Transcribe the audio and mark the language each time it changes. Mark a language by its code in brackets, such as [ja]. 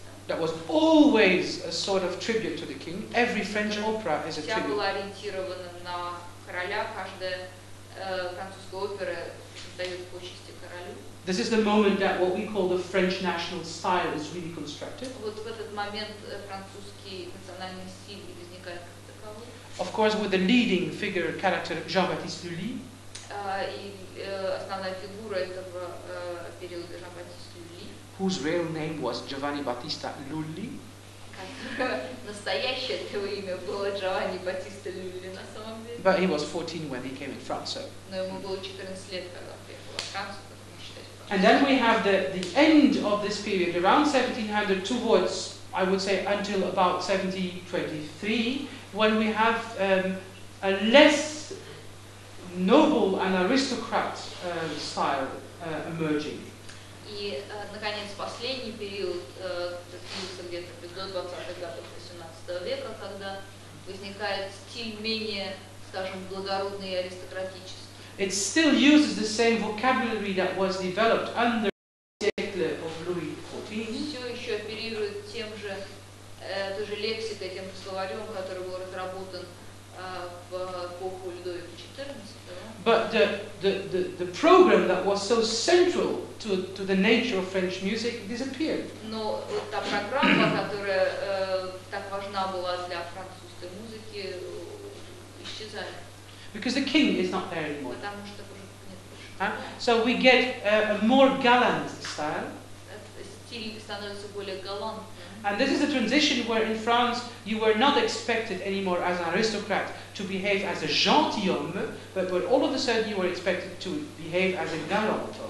[en] That was always a sort of tribute to the king. Every French opera is a tribute. [ru] Вся была ориентирована на короля. Каждая французская опера дает почести королю. [en] This is the moment that what we call the French national style is really constructed. [ru] Вот в этот момент французский национальный стиль возникает как таковой. [en] Of course, with the leading figure character Jean-Baptiste Lully. [ru] Основная фигура этого периода Jean-Baptiste Lully. [en] Whose real name was Giovanni Battista Lulli. [ru] Настоящее его имя было Джованни Батиста Люлли на самом деле. [en] But he was 14 when he came in France. [ru] Но ему было 14 лет, когда приехал в Францию. [en] And then we have the end of this period, around 1700 towards, I would say, until about 1723, when we have a less noble and aristocrat style emerging. [ru] И, наконец, последний период, длился где-то до 20-х годов 18 века, когда возникает стиль менее, скажем, благородный и аристократический. [en] It still uses the same vocabulary that was developed under the title of Louis XIV. [ru] Все еще оперирует тем же, той же лексикой, тем же словарем, который был разработан в эпоху Людовика XIV. [en] But the program that was so central to the nature of French music disappeared. [ru] Но вот та программа, которая так важна была для французской музыки, исчезает. [en] Because the king is not there anymore. [ru] Потому что уже нет больше. [en] So we get a more gallant style. [ru] Стиль становится более галантным. [en] And this is a transition where in France you were not expected anymore as an aristocrat to behave as a gentilhomme, but where all of a sudden you were expected to behave as a galantomme.